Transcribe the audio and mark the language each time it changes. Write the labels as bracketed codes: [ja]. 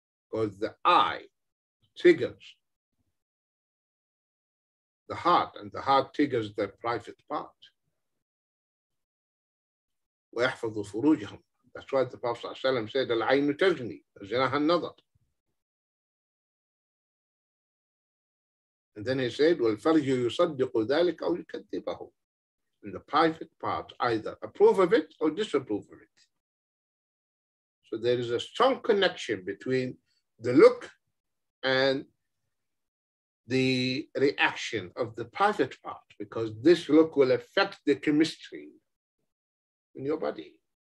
[en] Because the eye triggers the heart, and the heart triggers the private part. [ar] وَيَحْفَظُ فُرُوجَهُمْ. [en] That's why the Prophet ﷺ said, [ar] الْعَيْنُ تَجْنِي أَزْنَهَا النَّظَرِ. [en] And then he said, [ar] وَالْفَرْجُ يُصَدِّقُ ذَلِكَ أَوْ يُكَذِّبَهُ. [en] And the private part either approve of it or disapprove of it. So there is a strong connection between the look and the reaction of the private part, because this look will affect the chemistry in your body.